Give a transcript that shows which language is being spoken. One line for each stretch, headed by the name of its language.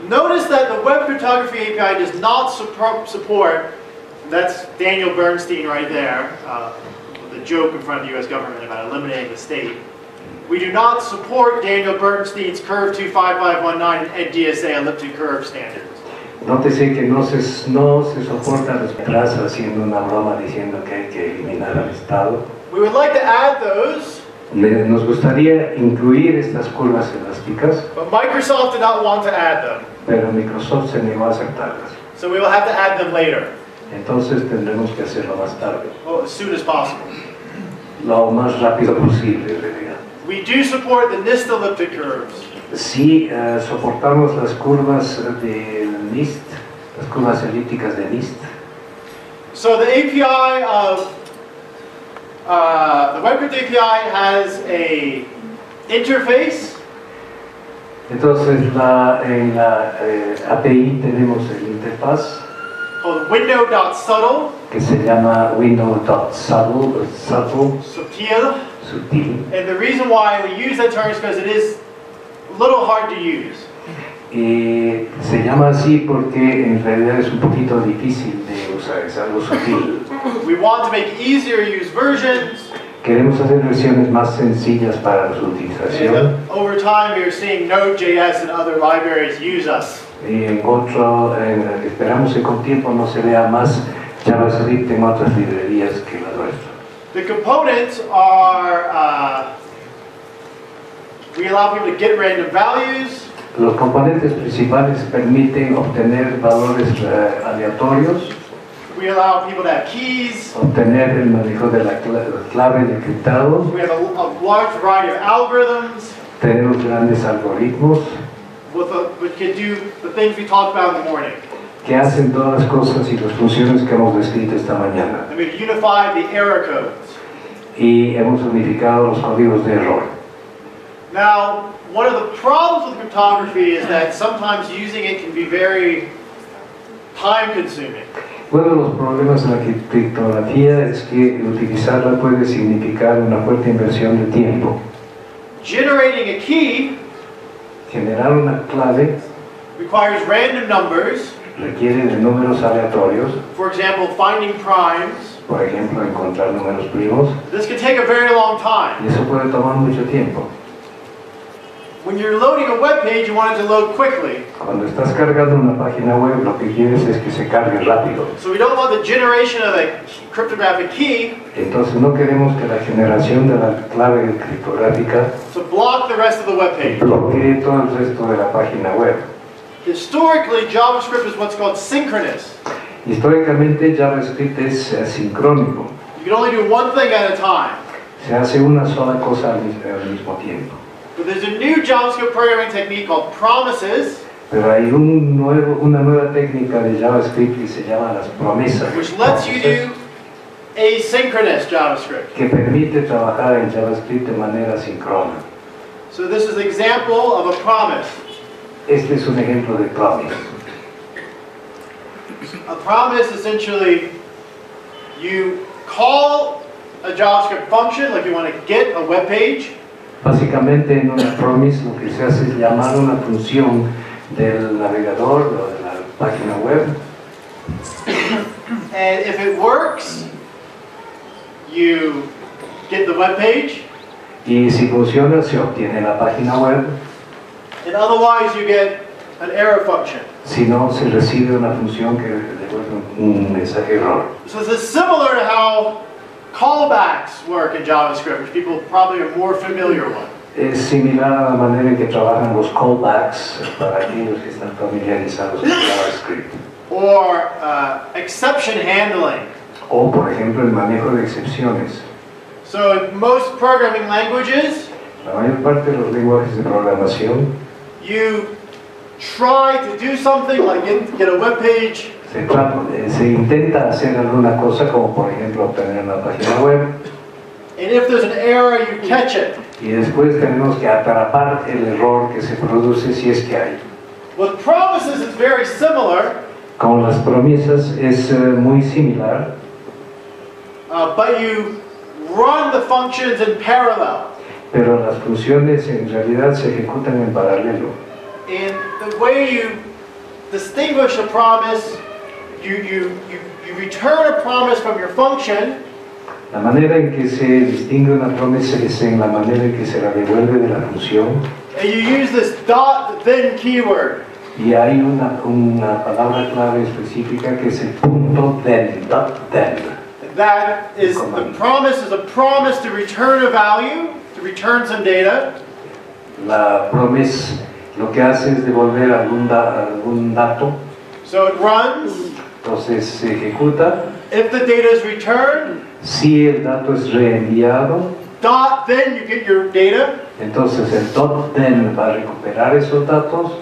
English: Notice that the web cryptography API does not support, that's Daniel Bernstein right there, the joke in front of the US government about eliminating the state. We do not support Daniel Bernstein's Curve 25519 and DSA elliptic curve standards.
Spanish: Nótese que no se soporta los atrás haciendo una broma diciendo que hay que eliminar al Estado.
English: We would like to add those.
Spanish: Nos gustaría incluir estas curvas elásticas.
English: But Microsoft did not want to add them.
Spanish: Pero Microsoft se negó a aceptarlas.
English: So we will have to add them later.
Spanish: Entonces tendremos que hacerlo más tarde.
English: Well, as soon as possible.
Spanish: Lo más rápido posible, en realidad.
English: We do support the NIST elliptic curves.
Spanish: Sí, soportamos las curvas de NIST, las curvas elípticas de NIST.
English: So the API of the WebCrypt API has a interface.
Spanish: Entonces en la API tenemos el interfaz.
English: Called window.subtle.
Spanish: Que se llama window.subtle. Subtle. Sutil. Sutil.
English: And the reason why we use that term is because it is a little hard to use.
Spanish: Y se llama así porque en realidad es un poquito difícil de usar, es algo sutil.
English: We want to make easier use versions.
Spanish: Queremos hacer versiones más sencillas para su utilización.
English: And over time we are seeing Node.js and other libraries use us.
Spanish: Y esperamos que con tiempo no se vea más JavaScript en otras librerías que la nuestra.
English: The components are, we allow people to get random values.
Spanish: Los componentes principales permiten obtener valores aleatorios.
English: We allow people to have keys.
Spanish: Obtener el manejo de la clave de criptado.
English: We have a large variety of algorithms.
Spanish: Tenemos grandes algoritmos.
English: We can do the things we talked about in the morning.
Spanish: Que hacen todas las cosas y las funciones que hemos descrito esta mañana.
English: And we've unified the error codes.
Spanish: Y hemos unificado los códigos de error.
English: Now, one of the problems with cryptography is that sometimes using it can be very time consuming.
Spanish: Uno de los problemas de la criptografía es que utilizarla puede significar una fuerte inversión de tiempo.
English: Generating a key,
Spanish: generar una clave,
English: requires random numbers,
Spanish: requiere de números aleatorios.
English: For example, finding primes,
Spanish: por ejemplo, encontrar números primos.
English: This can take a very long time.
Spanish: Y eso puede tomar mucho tiempo.
English: When you're loading a web page, you want it to load quickly.
Spanish: Cuando estás cargando una página web, lo que quieres es que se cargue rápido.
English: So we don't want the generation of a cryptographic key.
Spanish: Entonces no queremos que la generación de la clave criptográfica
English: to block the rest of the web page.
Spanish: Bloquee todo el resto de la página web.
English: Historically, JavaScript is what's called synchronous.
Spanish: Históricamente, JavaScript es asincrónico.
English: You can only do one thing at a time.
Spanish: Se hace una sola cosa al mismo tiempo.
English: But there's a new JavaScript programming technique called promises.
Spanish: Pero hay una nueva técnica de JavaScript que se llama las promesas.
English: Which lets you do asynchronous JavaScript.
Spanish: Que permite trabajar en JavaScript de manera asíncrona.
English: So this is an example of a promise.
Spanish: Este es un ejemplo de promise.
English: A promise, essentially, you call a JavaScript function, like you want to get a web page.
Spanish: Básicamente en una promise lo que se hace es llamar una función del navegador o de la página web.
English: And if it works, you get the web page.
Spanish: Y si funciona, se obtiene la página web.
English: And otherwise you get an error function.
Spanish: Si no, se recibe una función que devuelve un mensaje error.
English: So this is similar to how callbacks work in JavaScript, which people probably are more familiar with.
Spanish: Es similar a la manera en que trabajan los callbacks para aquellos que están familiarizados con JavaScript.
English: Or exception handling.
Spanish: O, por ejemplo, el manejo de excepciones.
English: So in most programming languages,
Spanish: la mayor parte de los lenguajes de programación,
English: you try to do something like get a web page.
Spanish: Se intenta hacer alguna cosa, como por ejemplo obtener una página web.
English: And if there's an error, you catch it.
Spanish: Y después tenemos que atrapar el error que se produce, si es que hay.
English: With promises, it's very similar.
Spanish: Con las promesas es muy similar.
English: But you run the functions in parallel.
Spanish: Pero las funciones en realidad se ejecutan en paralelo.
English: And the way you distinguish a promise, You return a promise from your function.
Spanish: La manera en que se distingue una promesa es en la manera en que se la devuelve de la función.
English: And you use this dot then keyword.
Spanish: Y hay una palabra clave específica que es el punto then, dot then.
English: That is the promise is a promise to return a value, to return some data.
Spanish: La promesa lo que hace es devolver algún dato.
English: So it runs.
Spanish: Entonces se ejecuta.
English: If the data is returned,
Spanish: si el dato es reenviado,
English: dot then you get your data.
Spanish: Entonces el dot then va a recuperar esos datos.